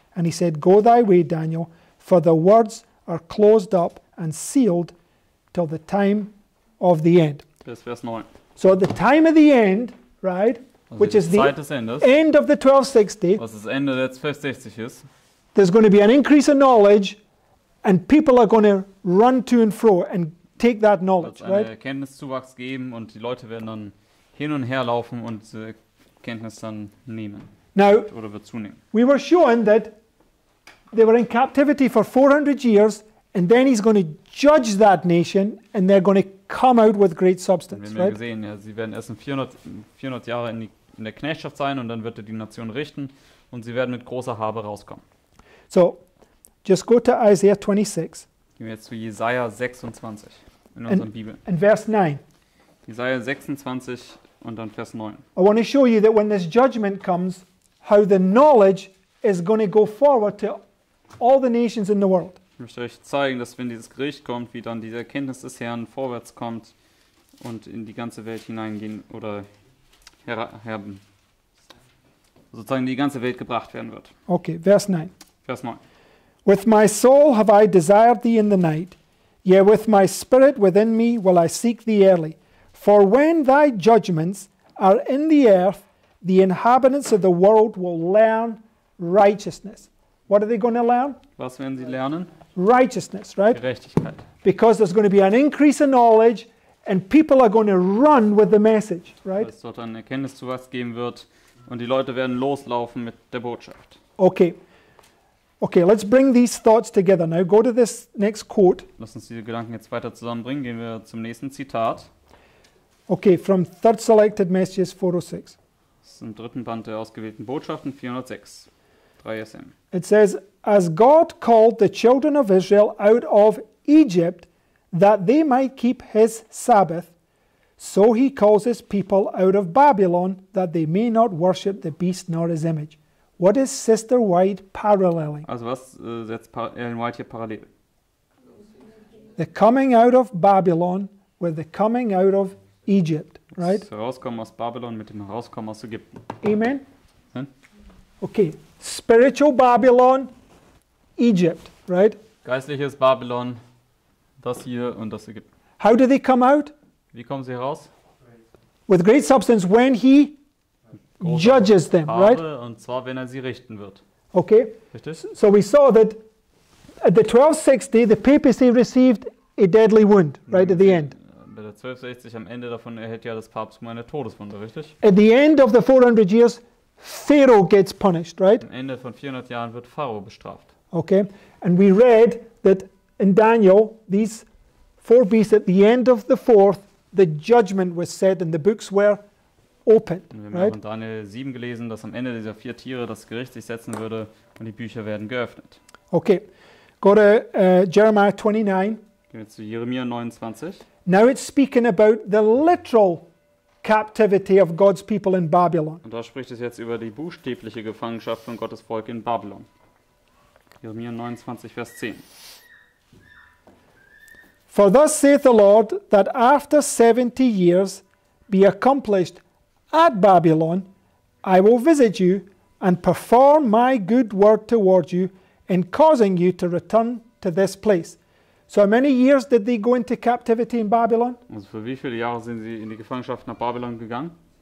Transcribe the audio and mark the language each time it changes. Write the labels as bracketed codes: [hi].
[en] And he said, go thy way, Daniel, for the words are closed up and sealed till the time of the end. [de] Vers 9. [en] So at the time of the end, right, [de] also [en] which is [de] Zeit the Endes, [en] end of the 1260, [de] was das Ende der 1260 ist, [en] there's going to be an increase in knowledge and people are going to run to and fro and take that knowledge, [de] wird [en] right? [de] Eine Erkenntniszuwachs geben und die Leute werden dann hin und her laufen und diese Erkenntnis dann nehmen. [en] Now, [de] oder wird zunehmen. [en] We were shown that they were in captivity for 400 years and then he's going to judge that nation and they're going to come out with great substance, [de] wir [en] right? [de] Wir sehen, ja, sie werden erst in 400 Jahre in der Knechtschaft sein und dann wird er die Nation richten und sie werden mit großer Habe rauskommen. [en] So, just go to Isaiah 26. [de] Gehen wir jetzt zu Jesaja 26 in unserer Bibel. In Vers 9. Jesaja 26 und dann Vers 9. [en] I want to show you that when this judgment comes, how the knowledge is going to go forward to all the nations in the world. [de] Ich möchte euch zeigen, dass wenn dieses Gericht kommt, wie dann diese Erkenntnis des Herrn vorwärts kommt und in die ganze Welt hineingehen oder sozusagen die ganze Welt gebracht werden wird. Okay, Vers 9. Vers 9. [en] With my soul have I desired thee in the night, yea, with my spirit within me will I seek thee early. For when thy judgments are in the earth, the inhabitants of the world will learn righteousness. What are they going to learn? [de] Was werden sie lernen? [en] Righteousness, right? [de] Gerechtigkeit. [en] Because there's going to be an increase in knowledge and people are going to run with the message, right? [de] Weil es dort eine Erkenntnis zu was geben wird und die Leute werden loslaufen mit der Botschaft. [en] Okay. Okay, let's bring these thoughts together. Now go to this next quote. [de] Lass uns diese Gedanken jetzt weiter zusammenbringen. Gehen wir zum nächsten Zitat. [en] Okay, from Third Selected Messages 406. [de] Das ist im dritten Band der ausgewählten Botschaften 406. [en] 3SM. It says, as God called the children of Israel out of Egypt that they might keep his Sabbath, so he calls his people out of Babylon that they may not worship the beast nor his image. What is Sister White paralleling? [de] Also was setzt Ellen White hier parallel? [en] The coming out of Babylon with the coming out of Egypt, right? [de] Das Herauskommen aus Babylon mit dem Herauskommen aus Ägypten. [en] Amen? Okay, spiritual Babylon, Egypt, right? [de] Geistliches Babylon, das hier und das Ägypten. [en] How do they come out? [de] Wie kommen sie heraus? [en] With great substance, when he judges them, right? [de] Und zwar, wenn er sie richten wird. [en] Okay. [de] Richtig? [en] So we saw that at the 1260, the papacy received a deadly wound, right, at the end. [de] Bei der 1260, am Ende davon, erhält ja das Papsttum eine Todeswunde, richtig? [en] At the end of the 400 years, Pharaoh gets punished, right? [de] Am Ende von 400 Jahren wird Pharao bestraft. [en] Okay. And we read that in Daniel, these four beasts, at the end of the fourth, the judgment was said and the books were opened. [de] Wir haben in Daniel 7 gelesen, dass am Ende dieser vier Tiere das Gericht sich setzen würde und die Bücher werden geöffnet. [en] Okay, go to Jeremiah 29. [de] Gehen wir zu Jeremia 29. [en] Now it's speaking about the literal captivity of God's people in Babylon. [de] Und da spricht es jetzt über die buchstäbliche Gefangenschaft von Gottes Volk in Babylon. Jeremia 29, Vers 10. [en] For thus saith the Lord, that after 70 years be accomplished at Babylon, I will visit you and perform my good word toward you in causing you to return to this place. So how many years did they go into captivity in Babylon? [de] Also für wie viele Jahre sind sie in die Gefangenschaft nach Babylon gegangen?